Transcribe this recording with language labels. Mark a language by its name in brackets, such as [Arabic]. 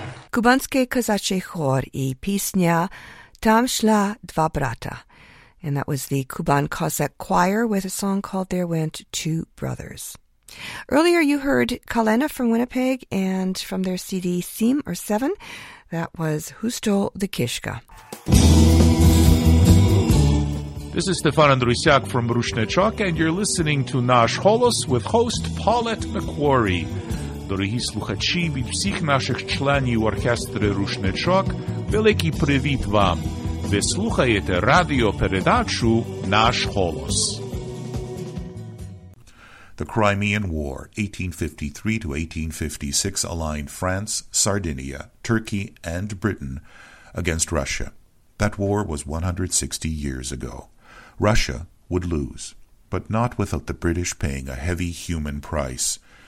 [Russian] Кубанский казачий хор и песня «Там шла два брата». [English] And that was the Kuban Cossack Choir with a song called «There Went Two Brothers». Earlier you heard Kalena from Winnipeg and from their CD Seam or Seven, that was «Who Stole the Kishka». This is Stefan Andrusiak from Rushnechok and you're listening to «Наш Холос» with host Paulette McQuarrie. [Ukrainian] Дорогі слухачі від всіх наших членів оркестри «Рушничок», великий привіт вам! Ви слухаєте радіопередачу «Наш голос». [English] The Crimean War, 1853 to 1856, aligned France, Sardinia, Turkey, and Britain against Russia. That war was 160 years ago. Russia would lose, but not without the British paying a heavy human price.